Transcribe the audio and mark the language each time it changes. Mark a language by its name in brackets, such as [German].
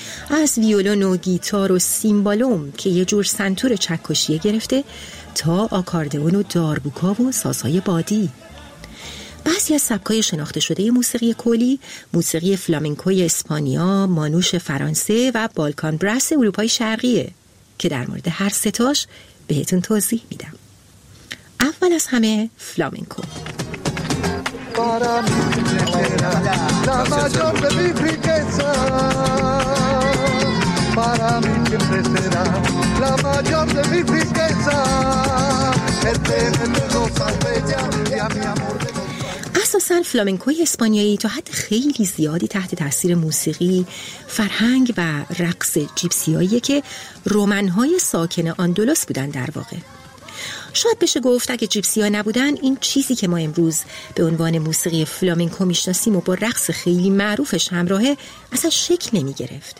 [Persian] از ویولون و گیتار و سیمبالوم که یه جور سنتور چکشیه گرفته تا آکاردئون و داربوکا و سازهای بادی. بعضی از سبکای شناخته شده موسیقی کولی، موسیقی فلامنکوی اسپانیا، مانوش فرانسه و بالکان براس اروپای شرقیه که در مورد هر ستاش بهتون توضیح میدم. اول از همه فلامنکو. [Spanish] Para mí, la mayor de mis riquezas. Para mí siempre será la mayor de mis riquezas. El tenerme dos albellas y a mi amor. [Persian] اساساً فلامنکوی اسپانیایی تا حد خیلی زیادی تحت تاثیر موسیقی، فرهنگ و رقص جیپسیایی که رومن‌های ساکن آندلس بودن در واقع. شاید بشه گفت اگه جیپسی‌ها نبودن، این چیزی که ما امروز به عنوان موسیقی فلامنکو میشناسیم و با رقص خیلی معروفش همراهه، اصلا شکل نمی‌گرفت.